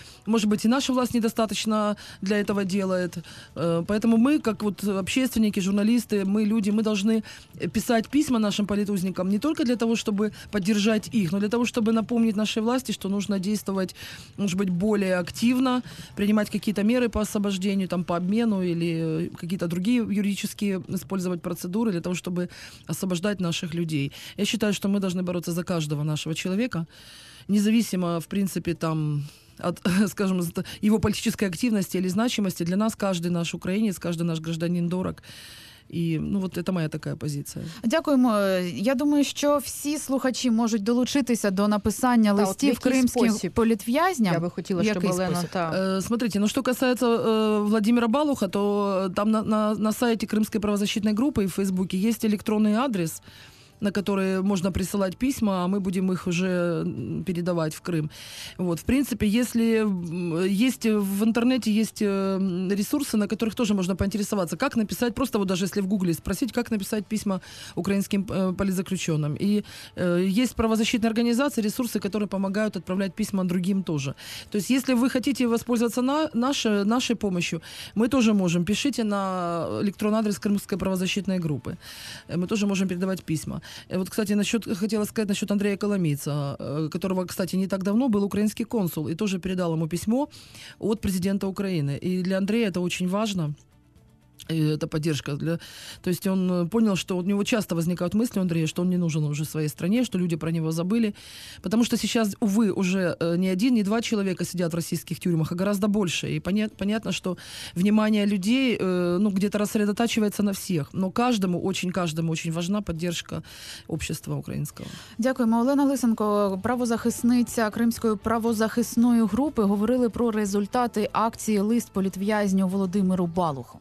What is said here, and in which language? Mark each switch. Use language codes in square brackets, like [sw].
[ru] Может быть, и наша власть недостаточно для этого делает. Поэтому мы, как вот общественники, журналисты, мы люди, мы должны писать письма нашим политузникам не только для того, чтобы поддержать их, но для того, чтобы напомнить нашей власти, что нужно действовать, может быть, более активно, принимать какие-то меры по освобождению, там, по обмену или какие-то другие юридические использовать процедуры для того, чтобы освобождать наших людей. Я считаю, что мы должны бороться за каждого нашего человека, независимо, в принципе, там... от, скажем, его политической активности или значимости. Для нас каждый наш украинец, каждый наш гражданин дорог. [uk] І от це моя така позиція. Дякуємо. Я думаю, що всі слухачі можуть долучитися до написання листів кримським політв'язням. Я би хотіла, щоб Олена та [ru] смотрите, [uk] що стосується Владимира Балуха, то там на сайті Кримської правозахисної групи і в Фейсбуці є електронний адрес, [ru] на которые можно присылать письма, а мы будем их уже передавать в Крым. Вот, в принципе, если есть в интернете есть ресурсы, на которых тоже можно поинтересоваться, как написать, просто вот даже если в Гугле спросить, как написать письма украинским политзаключенным. И есть правозащитные организации, ресурсы, которые помогают отправлять письма другим тоже. То есть, если вы хотите воспользоваться нашей помощью, мы тоже можем. Пишите на электронный адрес Крымской правозащитной группы. Мы тоже можем передавать письма. Вот, кстати, хотела сказать насчет Андрея Коломийца, которого, кстати, не так давно был украинский консул, и тоже передал ему письмо от президента Украины. И для Андрея это очень важно, И это поддержка для... То есть он понял, что у него часто возникают мысли, Андрей, что он не нужен уже своей стране, что люди про него забыли. Потому что сейчас, увы, уже не один, не два человека сидят в российских тюрьмах, а гораздо больше. И понятно, что внимание людей где-то рассредотачивается на всех. Но каждому очень важна поддержка общества українського. [uk] Дякуємо. Олена Лисенко, правозахисниця Кримської правозахисної групи, говорили про результати акції «Лист політв'язню» Володимиру Балуху.